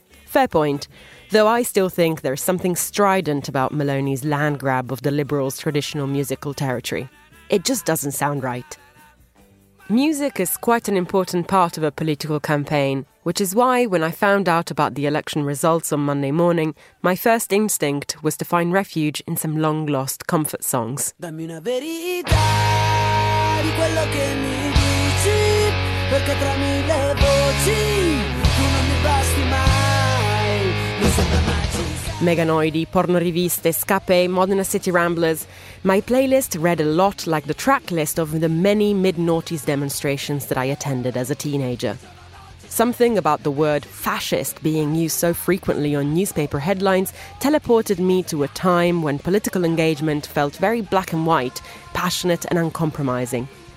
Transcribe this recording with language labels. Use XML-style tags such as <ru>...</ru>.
<en>Fair point, though I still think there's something strident about Meloni's land grab of the liberals' traditional musical territory. It just doesn't sound right. Music is quite an important part of a political campaign, which is why when I found out about the election results on Monday morning, my first instinct was to find refuge in some long-lost comfort songs.</en> <it>Dammi una verità di quello che mi dici, perché tra mille voci tu non mi basti mai, non sembra mai. Meganoidi, Porno Riviste, Scape, Modena City Ramblers.</it> <en>My playlist read a lot like the track list of the many mid-noughties demonstrations that I attended as a teenager. Something about the word fascist being used so frequently on newspaper headlines teleported me to a time when political engagement felt very black and white, passionate and uncompromising.</en>